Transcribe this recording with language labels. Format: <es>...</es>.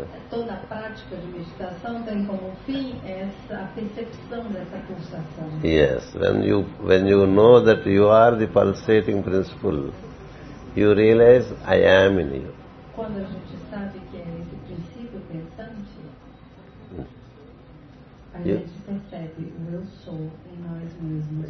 <pt>Toda a prática de meditação tem como fim essa percepção dessa pulsação.</pt> <en>Yes, when you know that you are the pulsating principle, you realize I am in you.</en> <pt>Quando a gente sabe que é esse princípio pensante, a gente percebe o eu sou em nós mesmos.</pt>